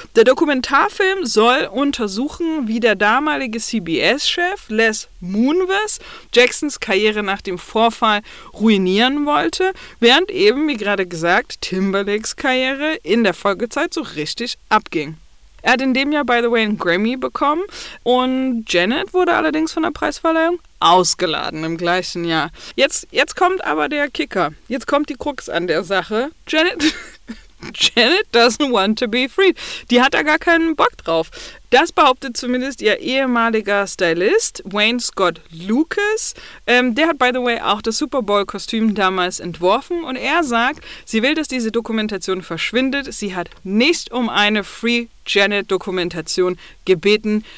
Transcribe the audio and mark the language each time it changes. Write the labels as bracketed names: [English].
[German] Der Dokumentarfilm soll untersuchen, wie der damalige CBS-Chef Les Moonves Jacksons Karriere nach dem Vorfall ruinieren wollte, während eben, wie gerade gesagt, Timberlakes Karriere in der Folgezeit so richtig abging. Er hat in dem Jahr, [English] by the way, [German] einen Grammy bekommen und Janet wurde allerdings von der Preisverleihung ausgeladen im gleichen Jahr. Jetzt kommt aber der Kicker. Jetzt kommt die Krux an der Sache. [English] Janet doesn't want to be free. [German] Die hat da gar keinen Bock drauf. Das behauptet zumindest ihr ehemaliger Stylist, Wayne Scott Lucas. Der hat, [English] by the way, [German] auch das Super Bowl-Kostüm damals entworfen. Und er sagt, sie will, dass diese Dokumentation verschwindet. Sie hat nicht um eine Free Janet-Dokumentation gebeten.